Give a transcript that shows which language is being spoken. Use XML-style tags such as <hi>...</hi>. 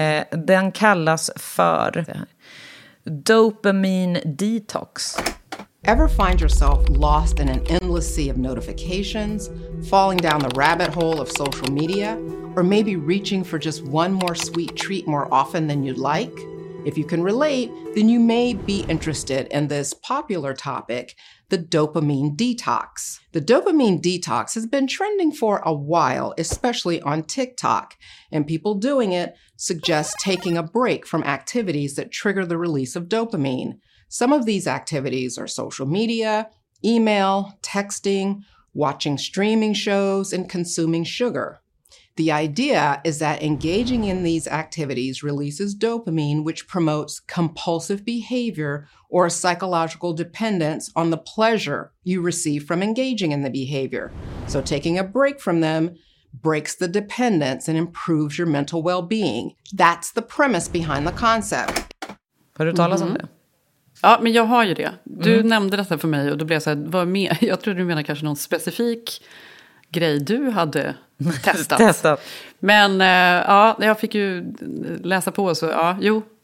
<sv>Den kallas för dopamine detox.</sv> <en>Ever find yourself lost in an endless sea of notifications, falling down the rabbit hole of social media, or maybe reaching for just one more sweet treat more often than you'd like? If you can relate, then you may be interested in this popular topic, the dopamine detox. The dopamine detox has been trending for a while, especially on TikTok, and people doing it suggest taking a break from activities that trigger the release of dopamine. Some of these activities are social media, email, texting, watching streaming shows, and consuming sugar. The idea is that engaging in these activities releases dopamine, which promotes compulsive behavior or psychological dependence on the pleasure you receive from engaging in the behavior. So taking a break from them breaks the dependence and improves your mental well-being. That's the premise behind the concept.</en> <sv>Har du talat om det? Ja, men jag har ju det. Du nämnde detta för mig och då blev jag så här, vad mer? Jag tror du menar kanske någon specifik grej du hade testat. Men ja, jag fick ju läsa på så ja, jo.</sv>